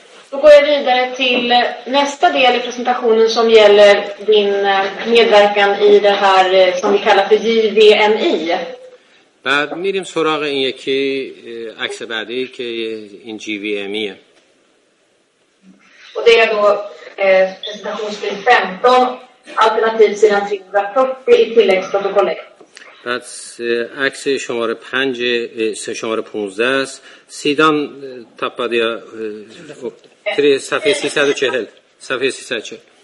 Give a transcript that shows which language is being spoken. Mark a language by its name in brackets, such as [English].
[Swedish] Då går jag vidare till nästa del i presentationen som gäller din medverkan i det här som vi kallar för JVMI. [Persian] بعد میریم سراغ این یکی عکس بعدی که این JVMI. [Swedish] Och det är då presentationsbild 15 alternativ sidan 340 i tilläggsprotokollet. [Persian] پس عکس شماره 5 شماره 15 است. سیدان تپادیا 340 صفحه 340